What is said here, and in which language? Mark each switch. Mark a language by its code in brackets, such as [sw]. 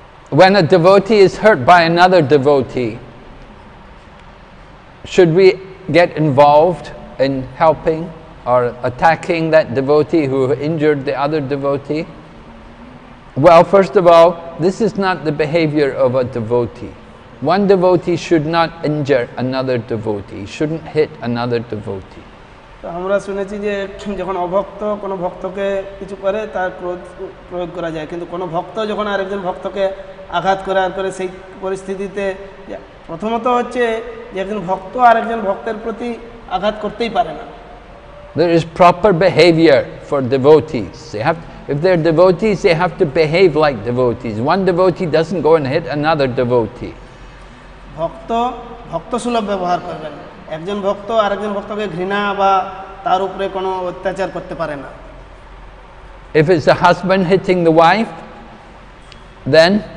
[en] When a devotee is hurt by another devotee, should we get involved in helping or attacking that devotee who injured the other devotee? Well, first of all, this is not the behavior of a devotee. One devotee should not injure another devotee, shouldn't hit another devotee. [bn] আমরা শুনেছি যে যখন অভক্ত কোনো ভক্তকে কিছু করে তার ক্রোধ প্রয়োগ করা যায়, কিন্তু কোনো ভক্ত যখন আরেকজন ভক্তকে আঘাত করে আর করে সেই পরিস্থিতিতে প্রথমত হচ্ছে যে একজন ভক্ত আরেকজন ভক্তের প্রতি আঘাত করতেই পারে না. [en] There is proper behavior for devotees. They have, if they're devotees, they have to behave like devotees. One devotee doesn't go and hit another devotee. [bn] ভক্ত ভক্ত সুলভ ব্যবহার করবেন, একজন ভক্ত আরেকজন ভক্তকে ঘৃণা বা তার উপরে কোনো অত্যাচার করতে পারে না. [en] If it's a husband hitting the wife, then